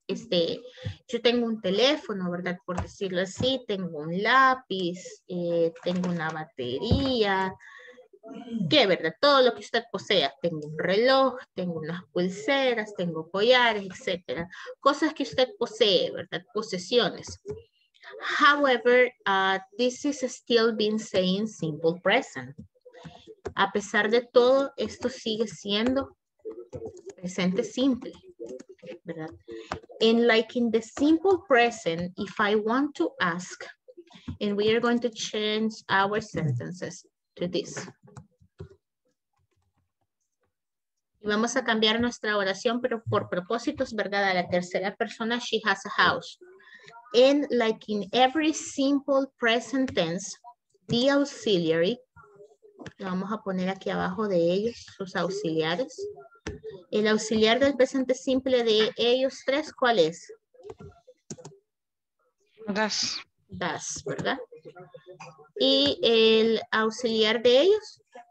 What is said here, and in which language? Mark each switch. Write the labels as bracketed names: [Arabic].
[Spanish] Este, yo tengo un teléfono, ¿verdad? Por decirlo así, tengo un lápiz, tengo una batería. ¿Qué, verdad? Todo lo que usted posea. Tengo un reloj, tengo unas pulseras, tengo collares, etc. Cosas que usted posee, ¿verdad? Posesiones. [English] However, this is still being saying simple present. [Spanish] A pesar de todo, esto sigue siendo presente simple, ¿verdad? [English] And like in the simple present, if I want to ask, and we are going to change our sentences to this. [Spanish] Y vamos a cambiar nuestra oración, pero por propósitos, ¿verdad? A la tercera persona, [English] she has a house. And like in every simple present tense, the auxiliary [Spanish] lo vamos a poner aquí abajo de ellos, sus auxiliares. El auxiliar del presente simple de ellos tres, ¿cuál es? [English] Das. [Spanish] Das, ¿verdad? ¿Y el auxiliar de ellos?